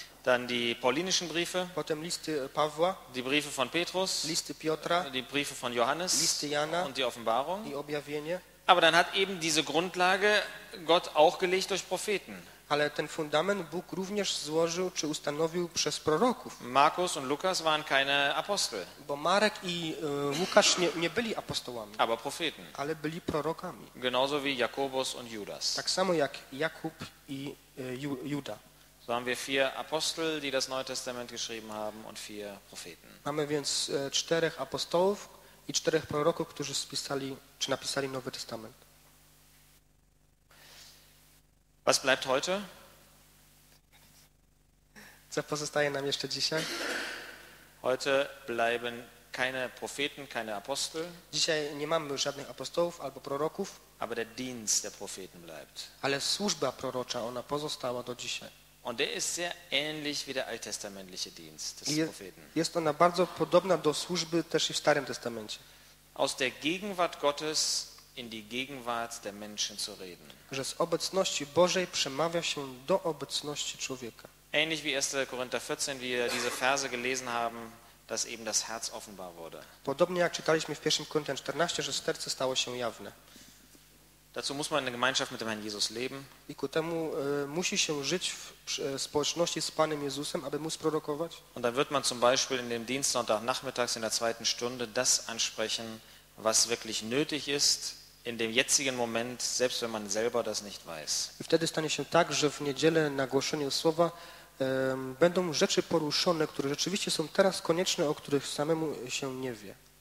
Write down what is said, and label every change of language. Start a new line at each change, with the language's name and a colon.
German: Dann die paulinischen Briefe.
Polish: Potem listy Pawła.
German: Die Briefe von Petrus.
Polish: Listy Piotra.
German: Die Briefe von Johannes.
Polish: Listy Jana.
German: Und die Offenbarung.
Polish: I objawienie.
German: Aber dann hat eben diese Grundlage Gott auch gelegt durch Propheten.
Polish: Ale ten fundament Bóg również złożył czy ustanowił przez proroków.
German: Markus und Lukas waren keine Apostel.
Polish: Bo Marek i Łukasz nie byli apostołami.
German: Aber Propheten.
Polish: Ale byli prorokami.
German: Genauso wie Jakobus und Judas.
Polish: Tak samo jak Jakub i Juda.
German: So haben wir vier Apostel, die das Neue Testament geschrieben haben und vier Propheten.
Polish: Mamy więc czterech apostołów i czterech proroków, którzy spisali czy napisali Nowy Testament.
German: Was bleibt heute?
Polish: Co pozostaje nam jeszcze dzisiaj?
German: Heute bleiben keine Propheten, keine Apostel.
Polish: Dzisiaj nie mamy żadnych apostołów albo proroków.
German: Aber der Dienst der Propheten bleibt.
Polish: Ale służba prorocza, ona pozostała do dzisiaj.
German: Und der ist sehr ähnlich wie der alttestamentliche Dienst des Propheten.
Polish: Jest ona bardzo podobna do służby też i w Starym Testamencie.
German: Aus der Gegenwart Gottes in die Gegenwart der Menschen zu reden.
Polish: Że z obecności Bożej przemawia się do obecności człowieka.
German: Ähnlich wie 1. Korinther 14, wie wir diese Verse gelesen haben, dass eben das Herz offenbar wurde.
Polish: Podobnie jak czytaliśmy w 1. Korinther 14, że serce stało się jawne.
German: Dazu muss man in der Gemeinschaft mit dem Herrn Jesus leben.
Polish: I ku temu musi się żyć w społeczności z Panem Jezusem, aby móc prorokować.
German: Und dann wird man zum Beispiel in dem Dienst sonntagnachmittags in der zweiten Stunde das ansprechen, was wirklich nötig ist in dem jetzigen Moment, selbst wenn man selber das nicht weiß.
Polish: I wtedy stanie się tak, że w niedzielę na głoszenie słowa będą rzeczy poruszone, które rzeczywiście są teraz konieczne, o których samemu się nie wie.